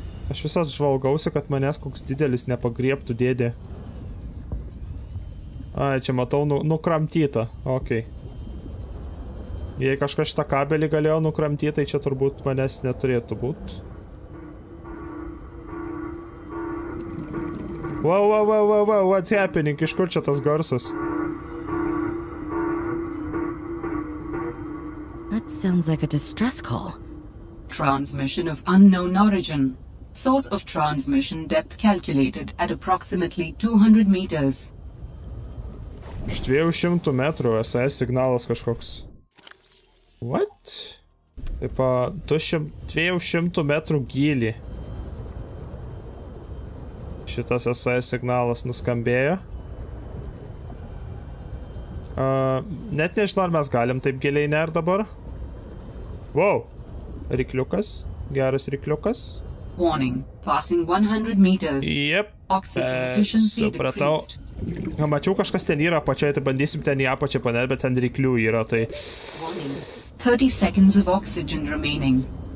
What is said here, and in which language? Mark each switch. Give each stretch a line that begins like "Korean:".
Lithuanian: Aš visą žvalgausi, kad manęs koks didelis nepagriebtų dėdė. Ai, čia matau nukramtytą, okei. Jei kažkas šitą kabelį galėjo nukramtyti, tai čia turbūt manęs neturėtų būt.
English: Wow, wow, wow, wow, wow, what's happening?
Lithuanian: Iš kur čia tas garsas?
English: That sounds like a distress call. Transmission of unknown origin. Source of transmission depth calculated at approximately 200 meters.
Lithuanian: Iš 200 metrų SOS signalas kažkoks.
English: What?
Lithuanian: Taip, 200 metrų gylį. Šitas SOS signalas nuskambėjo. Net nežinau, ar mes galim taip giliai nert dabar. Wow! Rykliukas. Geras rykliukas.
English: Warning. Passing 100 meters. Yep. Oxygen efficiency
Lithuanian: supratau.
English: Decreased.
Lithuanian: Mačiau, kažkas ten yra apačioje, tai bandysim ten į apačią panert, bet ten ryklių yra, tai...
English: Warning. 30 seconds of oxygen remaining.